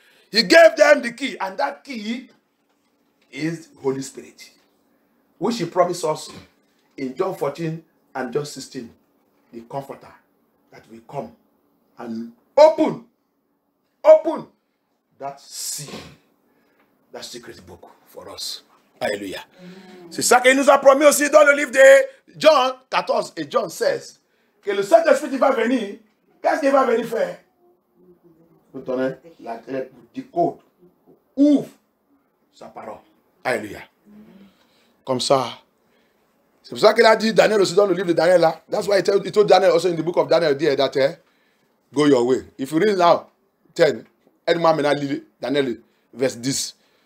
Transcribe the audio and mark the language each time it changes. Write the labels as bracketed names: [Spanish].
[English] He gave them the key, and that key is Holy Spirit, which he promised us. In John 14 and John 16, the Comforter that will come and open that seal, that secret book for us. Alléluia. [French] C'est ça qu'il nous a promis aussi dans le livre de John 14 et John 16, que le Saint-Esprit va venir. Qu'est-ce qu'il va venir faire? Vous donnez la clé pour décoder. Ouvre sa parole. Alléluia. Comme ça. C'est pour ça qu'il a dit Daniel aussi dans le livre de Daniel là. [English] That's why he told Daniel also in the book of Daniel there that go your way. If you read now 10, [French] aide-moi maintenant à lire Daniel verse 10.